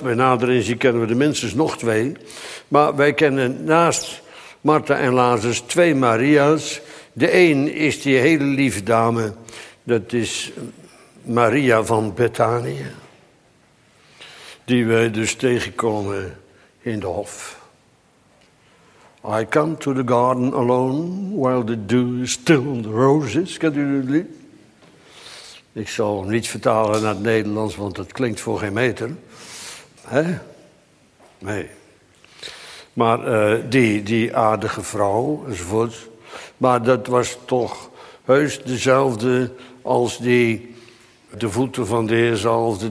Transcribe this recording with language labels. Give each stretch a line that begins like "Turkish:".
Dutch: Bij nader inzien kennen we er minstens nog twee. Maar wij kennen naast Martha en Lazarus twee Maria's. De een is die hele lieve dame, dat is Maria van Bethanië, die wij dus tegenkomen in de hof.
English: I come to the garden alone, while the dew is still on the roses,
Dutch: kent u dat lied? Ik zal hem niet vertalen naar het Nederlands, want dat klinkt voor geen meter. Hè? Nee. Maar die aardige vrouw, enzovoort. Maar dat was toch heus dezelfde als die de voeten van de Heer zalfde.